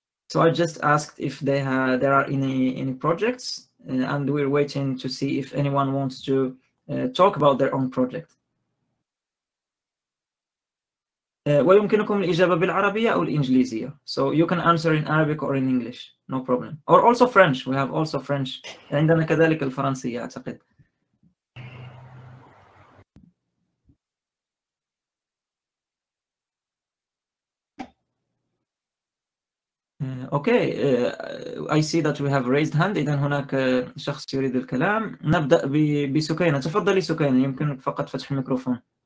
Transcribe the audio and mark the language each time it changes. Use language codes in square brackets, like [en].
[en] So I just asked if they there are any projects, and we're waiting to see if anyone wants to talk about their own project. [ar] ويمكنكم الإجابة بالعربية أو الإنجليزية. [en] So you can answer in Arabic or in English, no problem. Or also French. We have also French. [ar] عندنا كذلك الفرنسية أعتقد. [en] Okay, I see that we have raised hand. [ar] إذن هناك شخص يريد الكلام. نبدأ بسكينة. تفضلي سكينة. يمكنك فقط فتح الميكروفون.